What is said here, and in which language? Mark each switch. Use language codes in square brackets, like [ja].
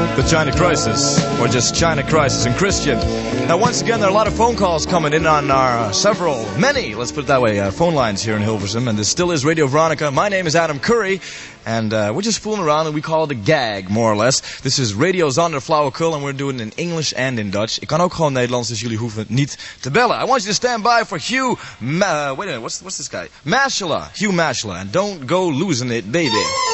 [en] China Crisis, or just China Crisis and Christian. Now, once again, there are a lot of phone calls coming in on our phone lines here in Hilversum, and this still is Radio Veronica. My name is Adam Curry, and we're just fooling around, and we call it a gag, more or less. This is Radio Zonderflower Curl, and we're doing it in English and in Dutch. [nl] Ik kan ook gewoon Nederlands, dus jullie hoeven niet te bellen. [en] I want you to stand by for Hugh... what's this guy? Mashala, Hugh Mashala, and don't go losing it, baby.